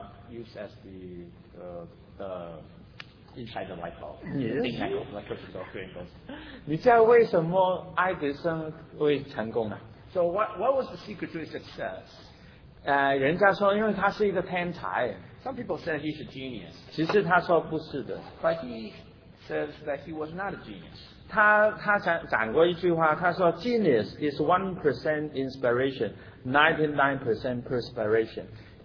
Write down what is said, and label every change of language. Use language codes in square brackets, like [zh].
[en] Use as the inside the light bulb. Electrical. [zh] 你知道为什么爱迪生会成功呢？ [en] So what was the secret to his success? [zh] 人家说因为他是一个天才。 [en] Some people said he's a genius. [zh] 其实他说不是的。 [en] But he says that he was not a genius. [zh] 他讲过一句话，他说 ： [en] “Genius is 1% inspiration, 99% perspiration。”